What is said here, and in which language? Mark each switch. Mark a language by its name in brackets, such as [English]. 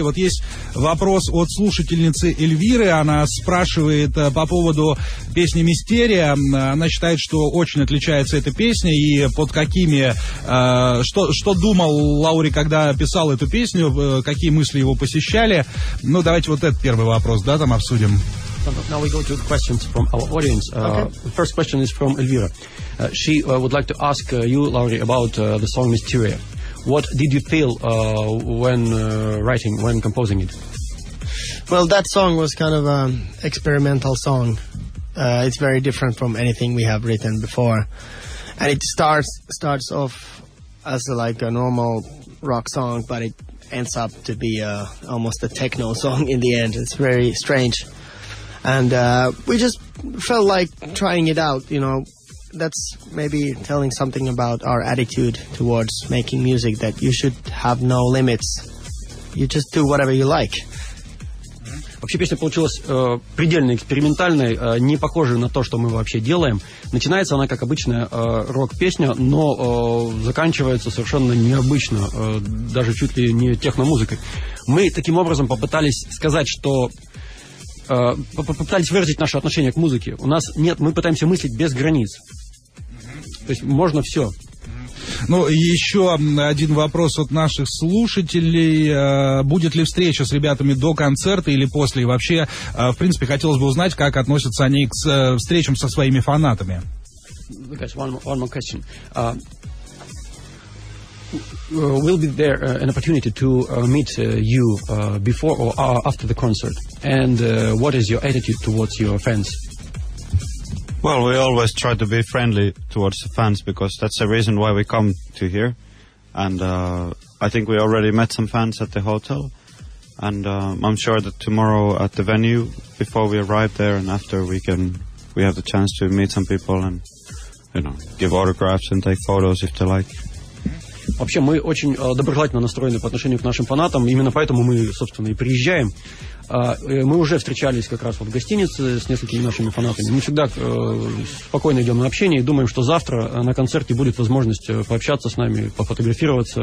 [Russian] Вот есть вопрос от слушательницы Эльвиры. Она спрашивает по поводу песни «Мистерия». Она считает, что очень отличается эта песня, и под какими... Что думал Лаури, когда писал эту песню, какие мысли его посещали? Ну, давайте вот этот первый вопрос, да, там обсудим. [English] Now we go to questions from our audience. Okay. First question is from Elvira. She would like to ask you, Лаури, about the song Mysteria. What did you feel when writing, when composing it? Well, that song was kind of an experimental song. It's very different from anything we have written before. And it starts off as a, like a normal rock song, but it ends up to be almost a techno song in the end. It's very strange. And we just felt like trying it out, you know. That's maybe telling something about our attitude towards making music, that you should have no limits. You just do whatever you like. [Russian] Вообще песня получилась предельно экспериментальной, не похожей на то, что мы вообще делаем. Начинается она, как обычная рок-песня, но заканчивается совершенно необычно, даже чуть ли не техно-музыкой. Мы таким образом попытались сказать, что... попытались выразить наше отношение к музыке. У нас нет, мы пытаемся мыслить без границ. То есть можно все. Ну, еще один вопрос от наших слушателей. Будет ли встреча с ребятами до концерта или после? И вообще, в принципе, хотелось бы узнать, как относятся они к встречам со своими фанатами. [English] One more question. Will be there an opportunity to meet you before or after the concert? And what is your attitude towards your fans? Well, we always try to be friendly towards the fans because that's the reason why we come to here. And I think we already met some fans at the hotel. And I'm sure that tomorrow at the venue, before we arrive there and after, we have the chance to meet some people and, you know, give autographs and take photos if they like. [Russian] Вообще, мы очень доброжелательно настроены по отношению к нашим фанатам. Именно поэтому мы, собственно, и приезжаем. Мы уже встречались как раз вот в гостинице с несколькими нашими фанатами. Мы всегда спокойно идем на общение и думаем, что завтра на концерте будет возможность пообщаться с нами, пофотографироваться.